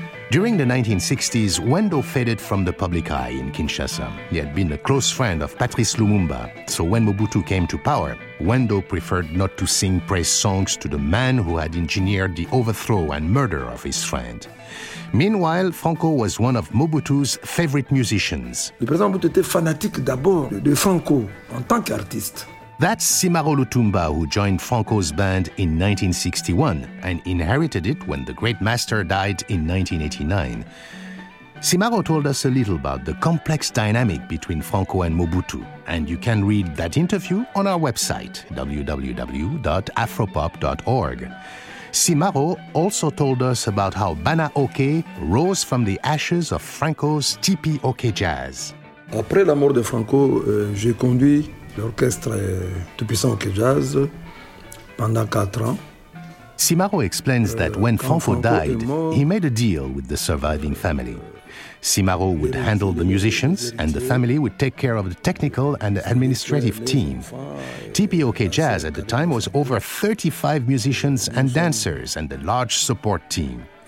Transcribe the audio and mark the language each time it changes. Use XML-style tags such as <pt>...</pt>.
<en>During the 1960s, Wendo faded from the public eye in Kinshasa. He had been a close friend of Patrice Lumumba. So when Mobutu came to power, Wendo preferred not to sing praise songs to the man who had engineered the overthrow and murder of his friend. Meanwhile, Franco was one of Mobutu's favorite musicians.</en> <fr>Le président Mobutu était fanatique d'abord de Franco en tant qu'artiste.</fr> <en>That's Simaro Lutumba, who joined Franco's band in 1961 and inherited it when the great master died in 1989. Simaro told us a little about the complex dynamic between Franco and Mobutu, and you can read that interview on our website, www.afropop.org. Simaro also told us about how Bana OK rose from the ashes of Franco's Tipi OK jazz.</en> <fr>Après la mort de Franco, j'ai conduit l'orchestre tout puissant que jazz pendant 4 ans.</fr> <en>Simaro explains that when Franco died, he made a deal with the surviving family. Simaro would handle the musicians and the family would take care of the technical and administrative team. TPOK Jazz at the time was over 35 musicians and dancers and a large support team.</en>